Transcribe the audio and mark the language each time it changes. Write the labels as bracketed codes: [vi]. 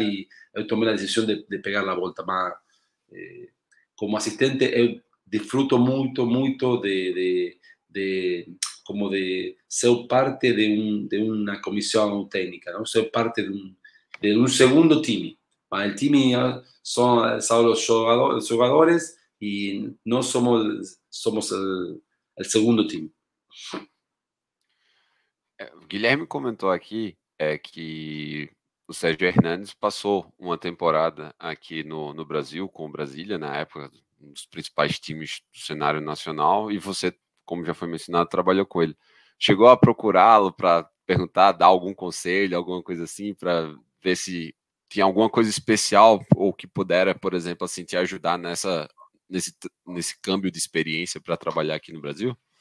[pt] E eu tomei a decisão de pegar a volta, mas como assistente eu disfruto muito, muito de como de ser parte de uma comissão técnica, não? Ser parte de um segundo time, [es] El time son los jugadores y no somos el segundo team. [pt] Guilherme comentou aqui que o Sérgio Hernández passou uma temporada aqui no Brasil, com o Brasília, na época, um dos principais times do cenário nacional, e você, como já foi mencionado, trabalhou com ele. Chegou a procurá-lo para perguntar, dar algum conselho, alguma coisa assim, para ver se tinha alguma coisa especial ou que pudera, por exemplo, assim, te ajudar nesse câmbio de experiência para trabalhar aqui no Brasil?